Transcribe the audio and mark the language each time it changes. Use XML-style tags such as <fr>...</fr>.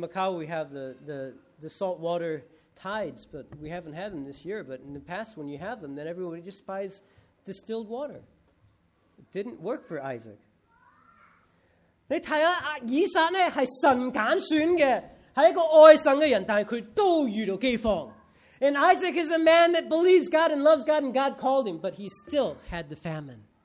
<en>Macau, we have the salt water tides, but we haven't had them this year. But in the past, when you have them, then everybody just buys distilled water. It didn't work for Isaac.</en> <yue>你睇下，以撒咧系神拣选嘅，系一个爱神嘅人，但系佢都遇到饥荒。And</yue> <en>Isaac is a man that believes God and loves God, and God called him, but he still had the famine.</en>